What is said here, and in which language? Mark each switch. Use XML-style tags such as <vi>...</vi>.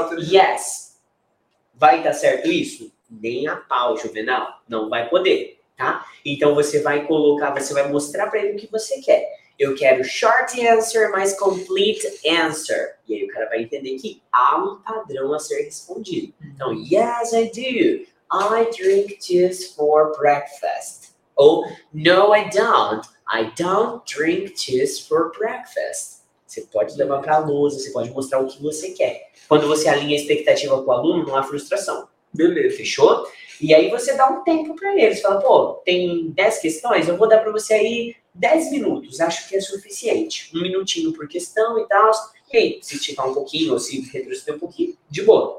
<pt>assim, yes, vai dar certo isso? Nem a pau, Juvenal, não vai poder, tá? Então você vai colocar, você vai mostrar pra ele o que você quer. Eu quero short answer, mais complete answer. E aí o cara vai entender que há um padrão a ser respondido. Então,</pt> <en>yes, I do. I drink juice for breakfast.</en> <pt>Ou,</pt> <en>no, I don't. I don't drink juice for breakfast.</en> <pt>Você pode levar para a lousa, você pode mostrar o que você quer. Quando você alinha a expectativa com o aluno, não há frustração. Beleza. Fechou? E aí você dá um tempo para ele. Você fala, pô, tem 10 questões, eu vou dar para você aí 10 minutos. Acho que é suficiente. Um minutinho por questão e tal. E aí, se esticar um pouquinho ou se retroceder um pouquinho, de boa.</pt>